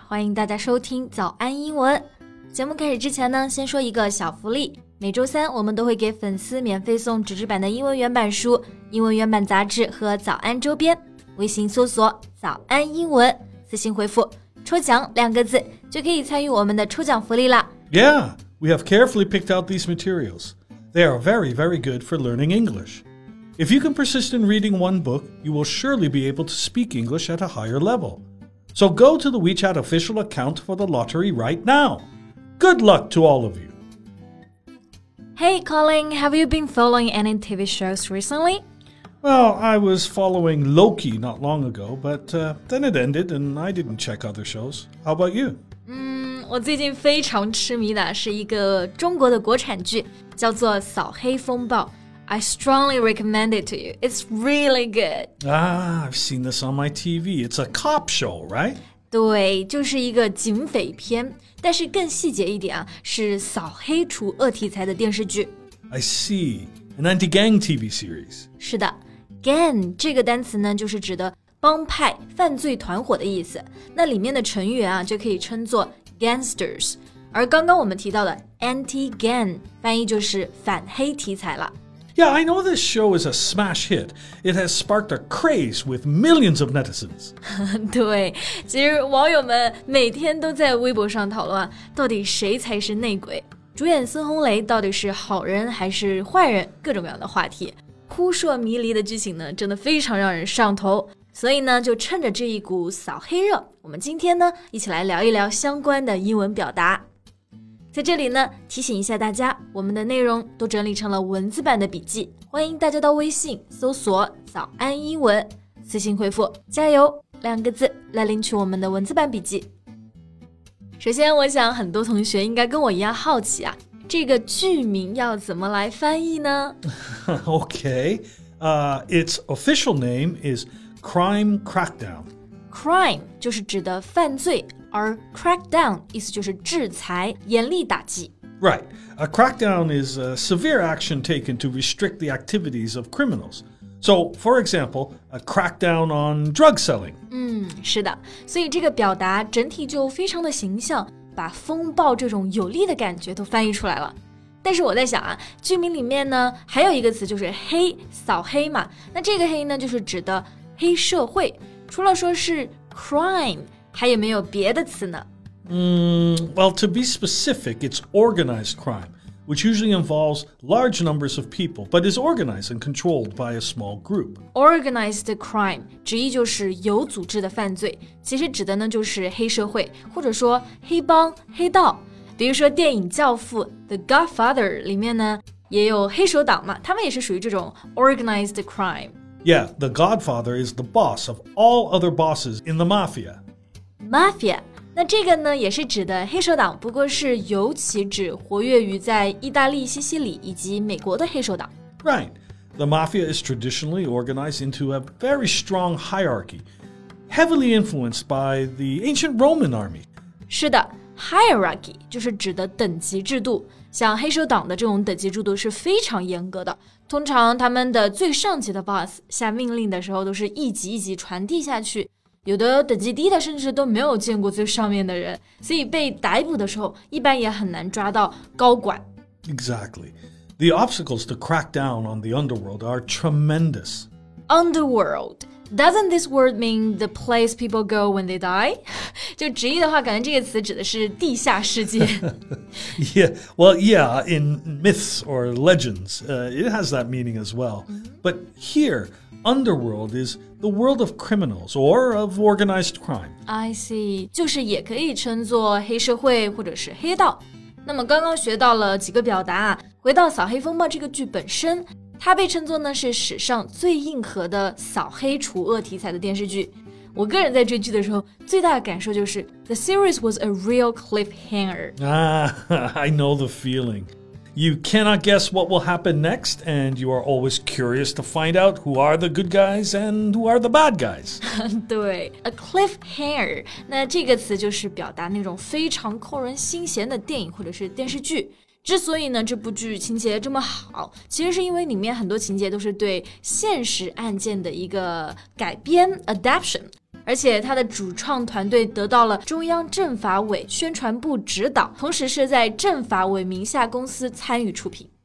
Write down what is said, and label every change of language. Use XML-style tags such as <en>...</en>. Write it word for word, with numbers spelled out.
<zh>欢迎大家收听早安英文。节目开始之前呢，先说一个小福利。每周三我们都会给粉丝免费送纸质版的英文原版书、英文原版杂志和早安周边。微信搜索“早安英文”，私信回复“抽奖”两个字，就可以参与我们的抽奖福利啦。</zh> <en>Yeah, we have carefully picked out these materials. They are very, very good for learning English. If you can persist in reading one book, you will surely be able to speak English at a higher level. So go to the WeChat official account for the lottery right now. Good luck to all of you. Hey, Colin, have you been following any T V shows recently? Well, I was following Loki not long ago, but uh, then it ended and I didn't check other shows. How about you?</en> <zh>嗯，我最近非常痴迷的是一个中国的国产剧，叫做《扫黑风暴》。</zh> <en>I strongly recommend it to you. It's really good. Ah, I've seen this on my T V. It's a cop show, right?</en> <zh>对，就是一个警匪片，但是更细节一点啊，是扫黑除恶题材的电视剧。</zh> <en>I see, an anti-gang T V series.</en> <zh>是的 ，gang 这个单词呢，就是指的帮派、犯罪团伙的意思。那里面的成员啊，就可以称作 gangsters。而刚刚我们提到的 anti-gang， 翻译就是反黑题材了。</zh> <en>Yeah, I know this show is a smash hit. It has sparked a craze with millions of netizens.</en> <zh>对，其实网友们每天都在微博上讨论，到底谁才是内鬼？主演孙红雷到底是好人还是坏人？各种各样的话题，扑朔迷离的剧情呢，真的非常让人上头。所以呢，就趁着这一股扫黑热，我们今天呢，一起来聊一聊相关的英文表达。在这里呢，提醒一下大家，我们的内容都整理成了文字版的笔记，欢迎大家到微信搜索早安英文，私信回复加油两个字来领取我们的文字版笔记。首先，我想很多同学应该跟我一样好奇啊，这个剧名要怎么来翻译呢？</zh> <en>Okay, uh, its official name is Crime Crackdown.</en> <zh>Crime 就是指的犯罪，而 crackdown 意思就是制裁，严厉打击。</zh> <en>Right. A crackdown is a severe action taken to restrict the activities of criminals. So, for example, a crackdown on drug selling.</en> <zh>嗯，是的。所以这个表达整体就非常的形象，把风暴这种有力的感觉都翻译出来了。但是我在想啊，剧名里面呢还有一个词就是黑，扫黑嘛。那这个黑呢就是指的黑社会，除了说是 crime,还有没有别的词呢？</zh> <en>嗯 well, to be specific, it's organized crime, which usually involves large numbers of people, but is organized and controlled by a small group.</en> <zh>Organized crime, 直译就是有组织的犯罪，其实指的呢就是黑社会，或者说黑帮、黑道。比如说电影《教父》 The Godfather 里面呢，也有黑手党嘛，他们也是属于这种 organized crime.</zh> <en>Yeah, The Godfather is the boss of all other bosses in the mafia.</en> <zh>Mafia, 那这个呢也是指的黑手党，不过是尤其指活跃于在意大利、西西里以及美国的黑手党。</zh> <en>Right. The mafia is traditionally organized into a very strong hierarchy, heavily influenced by the ancient Roman army.</en> <zh>是的 ,hierarchy 就是指的等级制度，像黑手党的这种等级制度是非常严格的，通常他们的最上级的 boss 下命令的时候都是一级一级传递下去。有的等级低的甚至都没有见过最上面的人，所以被逮捕的时候一般也很难抓到高管。</zh> <en>Exactly. The obstacles to crack down on the underworld are tremendous. Underworld. Doesn't this word mean the place people go when they die?</en> <zh>就直译的话，感觉这个词指的是地下世界。</zh> <en>Yeah, well, yeah, in myths or legends, uh, it has that meaning as well. But here... Underworld is the world of criminals or of organized crime. I see.</en> <zh>就是也可以称作黑社会或者是黑道。那么刚刚学到了几个表达啊，回到《扫黑风暴》这个剧本身，它被称作呢是史上最硬核的扫黑除恶题材的电视剧。我个人在追剧的时候，最大的感受就是</zh> <en>The series was a real cliffhanger. Ah, I know the feeling. You cannot guess what will happen next, and you are always curious to find out who are the good guys and who are the bad guys.</en> <zh>对 ,a cliffhanger, 那这个词就是表达那种非常扣人心弦的电影或者是电视剧，之所以呢这部剧情节这么好，其实是因为里面很多情节都是对现实案件的一个改编 adaptation， 而且它的主创团队得到了中央政法委宣传部指导，同时是在政法委名下公司参与出品。</zh>